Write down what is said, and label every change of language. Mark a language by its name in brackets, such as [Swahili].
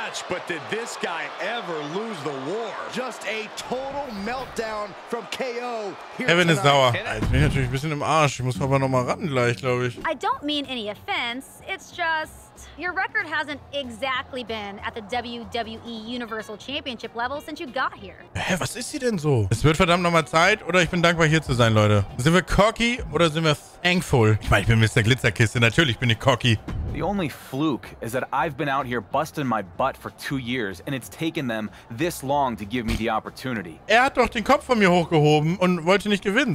[English] But did this guy ever lose the war? Just a total meltdown from KO here. Kevin tonight. [German] Ist sauer. Ich bin natürlich ein bisschen im Arsch. Ich muss aber noch mal ran gleich, glaube ich. [English] I don't mean any offense. It's just... Your record hasn't exactly been at the WWE Universal Championship level since you got here. [German] Hä, was ist hier denn so? Es wird verdammt nochmal Zeit oder ich bin dankbar hier zu sein, Leute. Sind wir cocky oder sind wir thankful? Ich meine, ich bin Mr. Glitzerkiste, natürlich bin ich cocky. [English] The only fluke is that I've been out here busting my butt for 2 years and it's taken them this long to give me the opportunity. [German] Er hat doch den Kopf von mir hochgehoben und wollte nicht gewinnen.